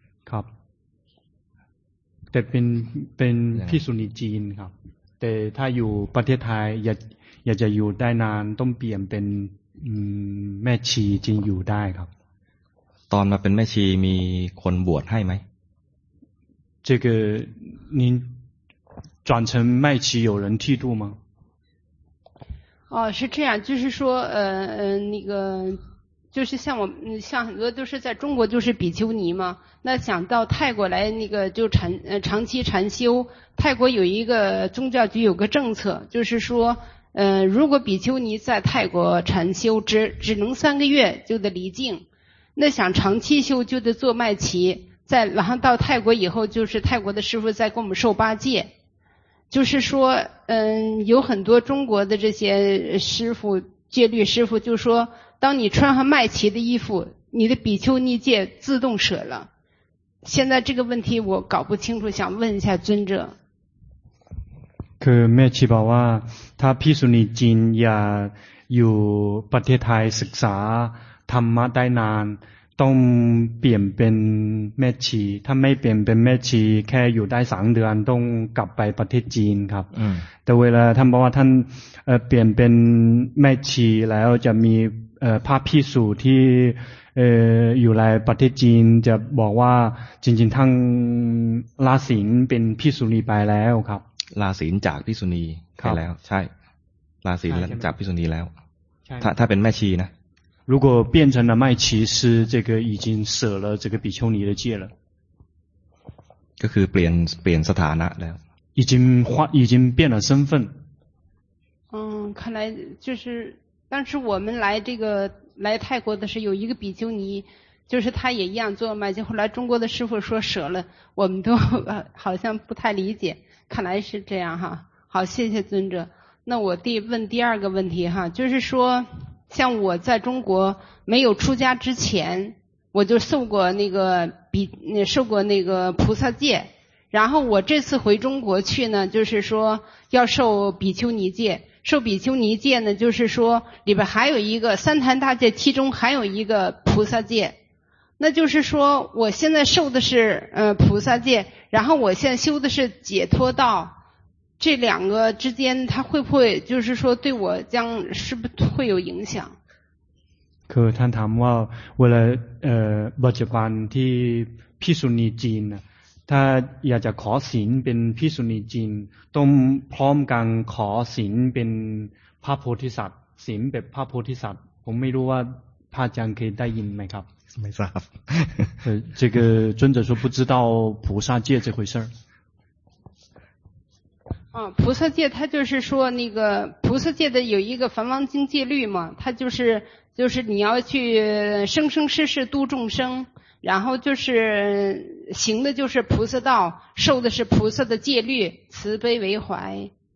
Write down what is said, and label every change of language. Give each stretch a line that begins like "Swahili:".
Thai: ครับแต่เป็นภิกษุณีจีนครับแต่ถ้าอยู่ประเทศไทยอยากจะอยู่ได้นานต้องเปลี่ยนเป็นแม่ชีจริงอยู่ได้ครับ ตอนมาเป็นแม่ชีมีคนบวชให้ไหม
Chinese: 这个您转成麦耆有人剃度吗哦是这样就是说那个就是像很多都是在中国就是比丘尼嘛那想到泰国来那个就长期禅修泰国有一个宗教局有个政策就是说如果比丘尼在泰国禅修只能三个月就得离境那想长期修就得做麦耆在然后到泰国以后就是泰国的师父在给我们授八戒就是说有很多中国的这些师父戒律师父就说当你穿上麦耆的衣服你的比丘尼戒自动舍了现在这个问题我搞不清楚想问一下尊者
Thai: คือแม่ชีบอกว่าถ้าภิกษุณีจีนอยากอยู่ประเทศไทยศึกษาธรรมะได้นานต้องเปลี่ยนเป็นแม่ชีถ้าไม่เปลี่ยนเป็นแม่ชีแค่อยู่ได้สามเดือนต้องกลับไปประเทศจีนครับแต่เวลาท่านบอกว่าท่านเปลี่ยนเป็นแม่ชีแล้วจะมีพระภิกษุที่อยู่ในประเทศจีนจะบอกว่าจริงๆท่านลาศีลเป็นภิกษุณีไปแล้วครับ ลาศีลจากภิกษุณีไปแล้วใช่ลาศีลจากภิกษุณีแล้วถ้าเป็นแม่ชีนะ
Chinese: 如果变成了麦耆师这个已经舍了这个比丘尼的戒了
Thai: ก็คือเปลี่ยนสถานะแล้ว
Chinese: 已经变了身份看来就是当时我们来这个来泰国的时候有一个比丘尼就是他也一样做麦耆后来中国的师父说舍了我们都好像不太理解看来是这样哈，好，谢谢尊者。那我问第二个问题哈，就是说，像我在中国没有出家之前，我就受过那个菩萨戒，然后我这次回中国去呢，就是说要受比丘尼戒，受比丘尼戒呢，就是说里边还有一个三坛大戒，其中还有一个菩萨戒。那就是说我现在受的是菩萨戒然后我现在修的是解脱道这两个之间它会不会就是说对我将是不是会有影响
Thai: คือท่านถามว่าเวลาปัจจุบันที่ภิกษุณีจีนถ้าอยากจะขอศีลเป็นภิกษุณีจีนต้องพร้อมกันขอศีลเป็นพระโพธิสัตว์ศีลแบบพระโพธิสัตว์ผมไม่รู้ว่าพระอาจารย์เคยได้ยินไหมครับ ไม่ทราบ
Chinese: 这个尊者说不知道菩萨戒这回事儿啊菩萨戒他就是说那个菩萨戒的有一个梵王经戒律嘛他就是你要去生生世世度众生然后就是行的就是菩萨道受的是菩萨的戒律慈悲为怀